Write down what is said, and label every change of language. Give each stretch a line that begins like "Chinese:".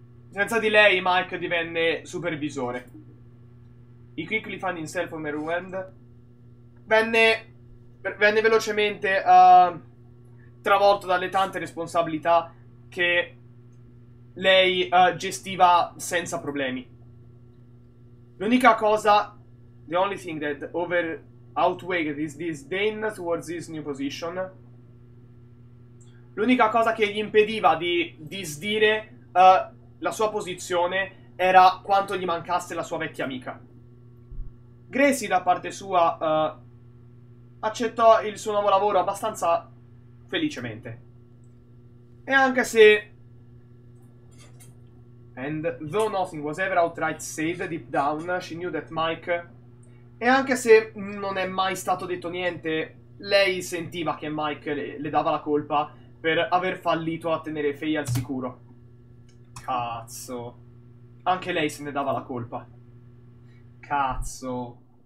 Italian: Senza di lei, Mike divenne supervisore.
English: He quickly found himself overwhelmed.
Italian: Venne velocemente travolto dalle tante responsabilità che lei gestiva senza problemi. L'unica cosa,
English: the only thing that outweighed his disdain towards his new position.
Italian: L'unica cosa che gli impediva di disdire la sua posizione era quanto gli mancasse la sua vecchia amica. Gracie, da parte sua, accettò il suo nuovo lavoro abbastanza felicemente. E anche se...
English: And though nothing was ever outright said deep down, she knew that Mike...
Italian: E anche se non è mai stato detto niente, lei sentiva che Mike le dava la colpa per aver fallito a tenere Faye al sicuro. Cazzo. Anche lei se ne dava la colpa. Cazzo.